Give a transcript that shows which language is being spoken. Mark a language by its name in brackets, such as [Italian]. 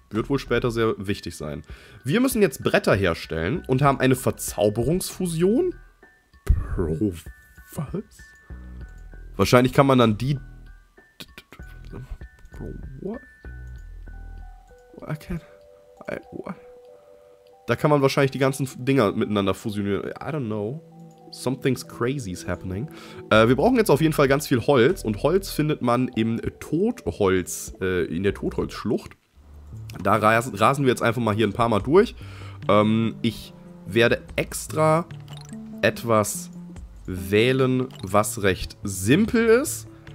[German] Wird wohl später sehr wichtig sein. Wir müssen jetzt Bretter herstellen und haben eine Verzauberungsfusion. Pro was? Wahrscheinlich kann man dann die... [English] Bro, what? What? [German] Da kann man wahrscheinlich die ganzen Dinger miteinander fusionieren. [English] I don't know. Something's crazy is happening. [German] Wir brauchen jetzt auf jeden Fall ganz viel Holz. Und Holz findet man im Totholz, in der Totholzschlucht. Da rasen wir jetzt einfach mal hier ein paar Mal durch. Ich werde extra etwas wählen, was recht simpel ist.